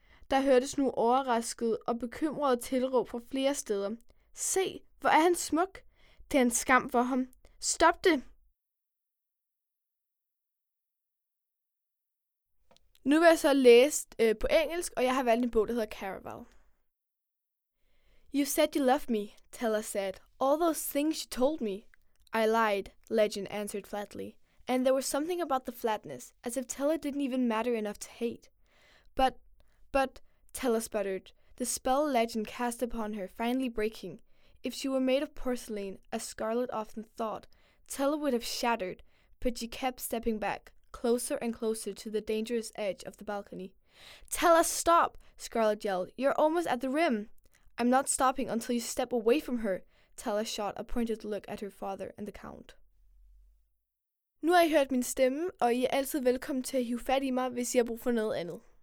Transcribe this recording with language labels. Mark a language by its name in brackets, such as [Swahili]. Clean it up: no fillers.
[Danish] Der hørtes nu overrasket og bekymret tilråb fra flere steder. Se, hvor er han smuk. Det er en skam for ham. Stop det! Nu vil jeg så læse på engelsk, og jeg har valgt en bog, der hedder Caraval. [English] You said you loved me, Teller said. All those things you told me. I lied, Legend answered flatly. And there was something about the flatness, as if Teller didn't even matter enough to hate. But, Teller sputtered, the spell Legend cast upon her finally breaking. If she were made of porcelain, as Scarlet often thought, Teller would have shattered, but she kept stepping back, closer and closer to the dangerous edge of the balcony. Teller, stop! Scarlet yelled. You're almost at the rim! I'm not stopping until you step away from her, Teller shot a pointed look at her father and the Count. [Danish] Nu har I hørt min stemme, og I er altid velkommen til at hive fat i mig, hvis I har brug for noget andet.